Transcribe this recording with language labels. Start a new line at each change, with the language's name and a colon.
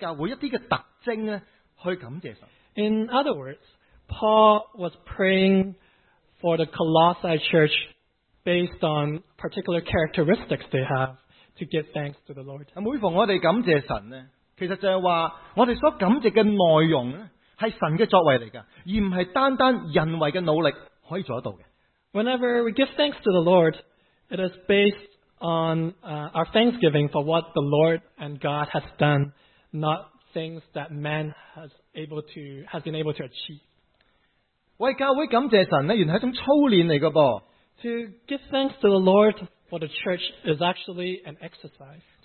Chinese: 换句话说,保罗是为了哥罗西教会一些特征去感谢神。
English: In other words, Paul was praying for the Colossae church based on particular characteristics they have to give thanks to the Lord.
Chinese: 每逢我们感谢神,其实就是说,我们所感谢的内容是神的作为,而不是单单人为的努力可以做到的。
English: Whenever we give thanks to the Lord, it is based on our thanksgiving for what the Lord and God has done, not things that man has been able to achieve.
Chinese: 为教会感谢神,原来是一种操练来的。
English: To give thanks to the Lord for the church is actually an exercise.